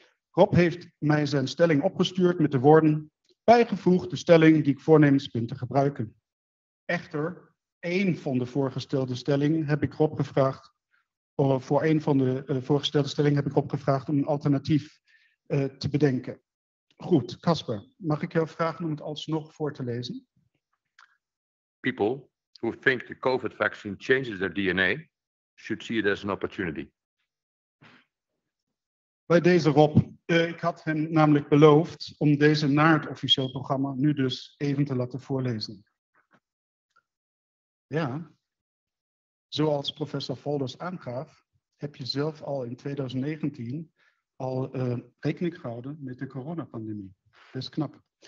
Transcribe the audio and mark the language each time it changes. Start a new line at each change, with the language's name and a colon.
Dutch: Rob heeft mij zijn stelling opgestuurd met de woorden bijgevoegd de stelling die ik voornemens ben te gebruiken. Echter, één van de voorgestelde stellingen heb ik Rob gevraagd, om een alternatief te bedenken. Goed, Casper, mag ik jou vragen om het alsnog voor te lezen?
English: People who think the COVID vaccine changes their DNA should see it as an opportunity.
Dutch: Bij deze, Rob, Ik had hem namelijk beloofd om deze naar het officieel programma nu dus even te laten voorlezen. Ja, zoals professor Volders aangaf, heb je zelf al in 2019 al rekening gehouden met de coronapandemie. Dat is knap.